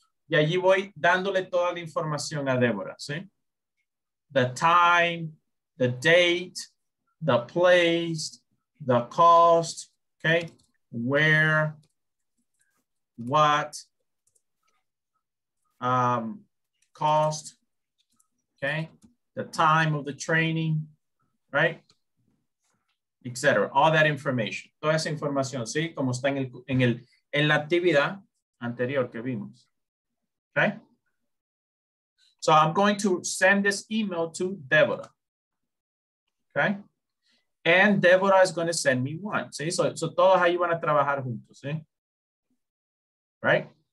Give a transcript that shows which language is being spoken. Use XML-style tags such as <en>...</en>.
<es>Y allí voy dándole toda la información a Débora, ¿sí?</es> <en>The time, the date, the place, the cost, okay? Where, what, cost, okay? The time of the training, right? Etc. All that information.</en> <es>Toda esa información, ¿sí? Como está en la actividad anterior que vimos.</es> <en>Okay, so I'm going to send this email to Deborah, okay? And Deborah is going to send me one, ¿sí?</en> <es>So todos ahí van a trabajar juntos, ¿sí? Right?</es>